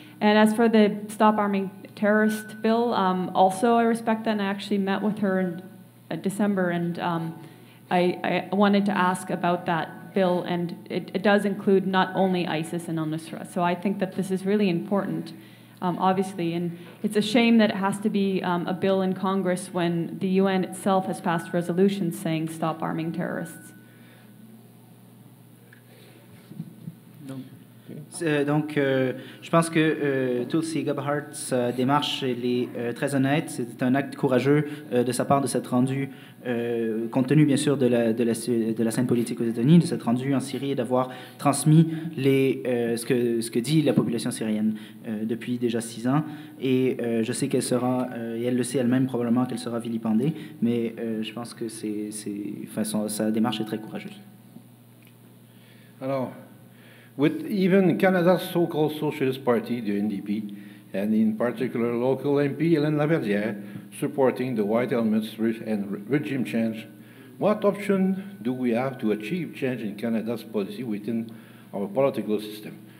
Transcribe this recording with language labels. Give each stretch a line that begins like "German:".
English: And as for the Stop Arming Terrorist bill, also I respect that, and I actually met with her in December, and I wanted to ask about that bill, and it does include not only ISIS and al-Nusra. So I think that this is really important. Obviously, and it's a shame that it has to be a bill in Congress when the UN itself has passed resolutions saying stop arming terrorists.
French: Donc, Donc, je pense que Tulsi Gabbard's démarche elle est très honnête. C'est un acte courageux de sa part de s'être rendue, compte tenu bien sûr de la scène politique aux États-Unis, de s'être rendue en Syrie et d'avoir transmis ce que dit la population syrienne depuis déjà 6 ans. Et je sais qu'elle sera, et elle le sait elle-même probablement, qu'elle sera vilipendée. Mais je pense que sa démarche est très courageuse. Alors.
English: With even Canada's so-called Socialist Party, the NDP, and in particular local MP Hélène Laverdière, supporting the white helmets and regime change, what option do we have to achieve change in Canada's policy within our political system?